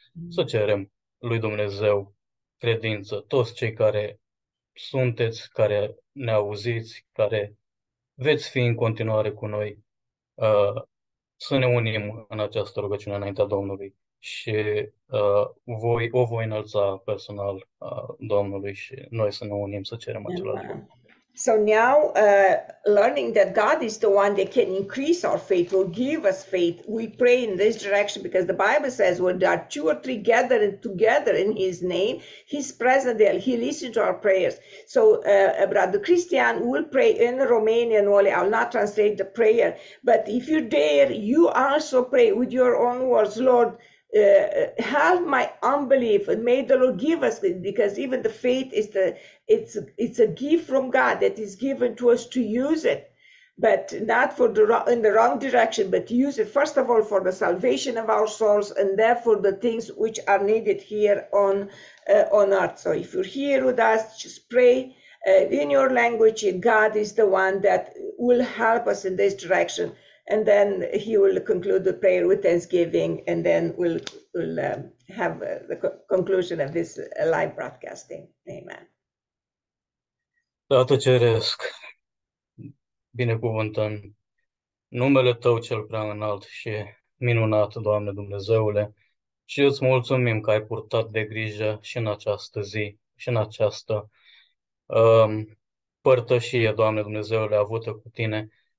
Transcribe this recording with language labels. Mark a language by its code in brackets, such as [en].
[ro] Să cerem lui Dumnezeu credință, toți cei care sunteți, care ne auziți, care veți fi în continuare cu noi, să ne unim în această rugăciune înaintea Domnului și o voi înălța personal a Domnului și noi să ne unim să cerem același lucru. [en] So now, learning that God is the one that can increase our faith, will give us faith, we pray in this direction because the Bible says when there are two or three gathered together in His name, He's present there. He listens to our prayers. So, Brother Christian will pray in Romanian only. I'll not translate the prayer. But if you dare, you also pray with your own words, Lord. Help my unbelief, and may the Lord give us it, because even the faith is it's a gift from God that is given to us to use it, but not for the in the wrong direction, but use it first of all for the salvation of our souls and therefore the things which are needed here on earth. So if you're here with us, just pray in your language. God is the one that will help us in this direction. And then he will conclude the prayer with thanksgiving, and then we'll have the conclusion of this live broadcasting. Amen. [ro] Tată Ceresc, binecuvântăm numele Tău cel prea înalt și minunat, Doamne Dumnezeule, și îți mulțumim că ai purtat de grijă și în această zi, și în această părtășie, Doamne Dumnezeule, avută cu Tine.